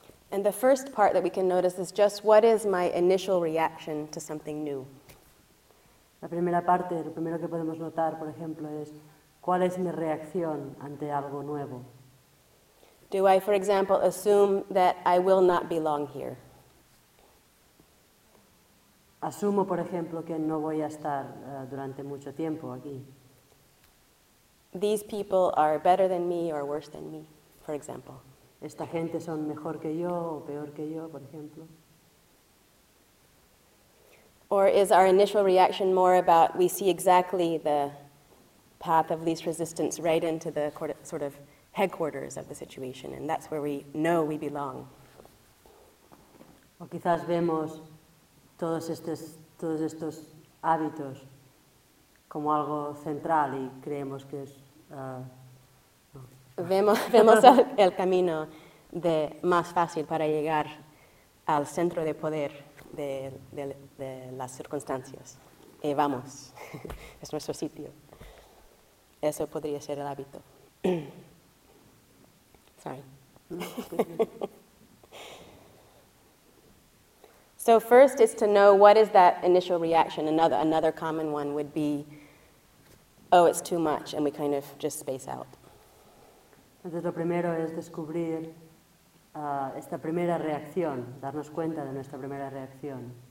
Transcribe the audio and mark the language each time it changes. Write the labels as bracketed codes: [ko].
[en] And the first part that we can notice is just what is my initial reaction to something new. [es] La primera parte, lo primero que podemos notar, por ejemplo, es cuál es mi reacción ante algo nuevo. [en] Do I, for example, assume that I will not belong here? [es] Asumo, por ejemplo, que no voy a estar durante mucho tiempo aquí. [en] These people are better than me or worse than me, for example. [es] Esta gente son mejor que yo o peor que yo, por ejemplo. [en] Or is our initial reaction more about we see exactly the path of least resistance right into the sort of headquarters of the situation, and that's where we know we belong? [es] O quizás vemos todos estos hábitos como algo central y creemos que es vemos el camino de más fácil para llegar al centro de poder de las circunstancias y vamos, es nuestro sitio. Eso podría ser el hábito. [en] Sorry. So first is to know what is that initial reaction. Another common one would be, oh, it's too much, and we kind of just space out. [es] Entonces lo primero es descubrir esta primera reacción, darnos cuenta de nuestra primera reacción.